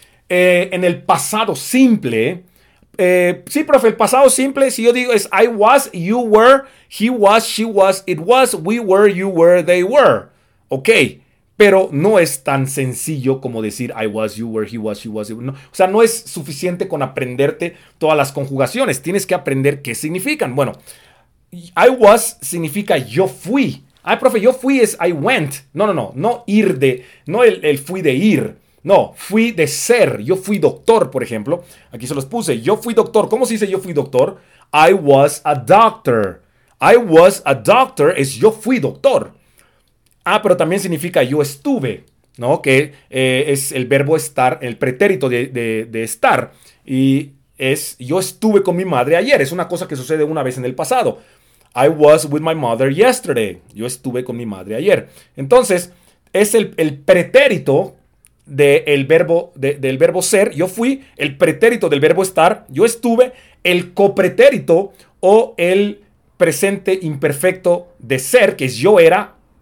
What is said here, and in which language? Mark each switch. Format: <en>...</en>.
<es>En el pasado simple, sí, profe, el pasado simple, si yo digo es</es> <en>I was, you were, he was, she was, it was, we were, you were, they were.</en> <es>Ok, pero no es tan sencillo como decir</es> <en>I was, you were, he was, she was.</en> <es>No. O sea, no es suficiente con aprenderte todas las conjugaciones. Tienes que aprender qué significan. Bueno,</es> <en>I was</en> <es>significa yo fui. Ay, profe, yo fui es</es> <en>I went.</en> <es>No ir de, no el fui de ir. No, fui de ser. Yo fui doctor, por ejemplo. Aquí se los puse. Yo fui doctor. ¿Cómo se dice yo fui doctor?</es> <en>I was a doctor. I was a doctor</en> <es>es yo fui doctor. Ah, pero también significa yo estuve, ¿no? Que es el verbo estar, el pretérito de estar. Y es yo estuve con mi madre ayer. Es una cosa que sucede una vez en el pasado.</es> <en>I was with my mother yesterday.</en> <es>Yo estuve con mi madre ayer. Entonces, es el pretérito del verbo ser. Yo fui el pretérito del verbo estar. Yo estuve el copretérito o el presente imperfecto de ser, que es yo era.</es>